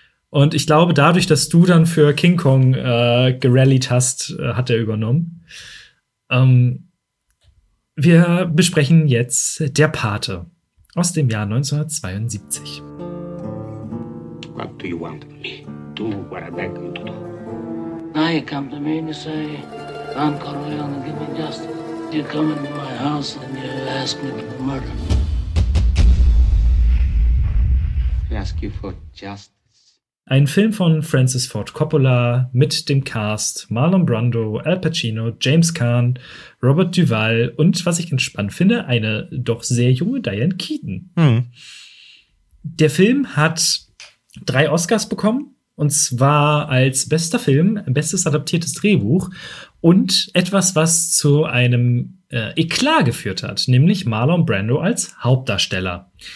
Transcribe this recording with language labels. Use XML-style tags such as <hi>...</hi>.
<de>Und ich glaube, dadurch, dass du dann für King Kong gerallied hast, hat er übernommen. Wir besprechen jetzt Der Pate aus dem Jahr 1972.</de> <en>What do you want me? Do what I beg you to do. Now you come to me and you say, Don Corleone, give me justice. You come into my house and you ask me for murder. I ask you for justice.</en> <de>Ein Film von Francis Ford Coppola mit dem Cast Marlon Brando, Al Pacino, James Caan, Robert Duvall und, was ich entspannt finde, eine doch sehr junge Diane Keaton. Hm. Der Film hat 3 Oscars bekommen. Und zwar als bester Film, bestes adaptiertes Drehbuch und etwas, was zu einem Eklat geführt hat, nämlich Marlon Brando als Hauptdarsteller.</de>